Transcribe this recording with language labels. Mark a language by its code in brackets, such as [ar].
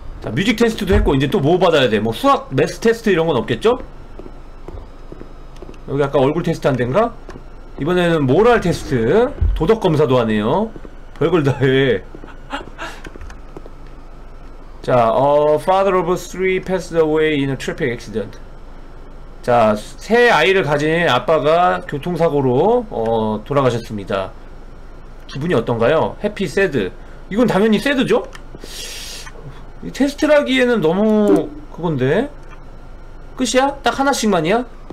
[ko] 뮤직 테스트도 했고 이제 또 뭐 받아야 돼? 뭐 수학 매스 테스트 이런 건 없겠죠? 여기 아까 얼굴 테스트 한 덴가? 이번에는 모랄 테스트 도덕 검사도 하네요. 별걸 다 해. [en] 자, father of three passed away in a traffic accident. [ko] 자, 세 아이를 가진 아빠가 교통사고로 돌아가셨습니다. 기분이 어떤가요? 해피, 새드. 이건 당연히 새드죠? 이 테스트라기에는 너무 그건데? 끝이야? 딱 하나씩만이야?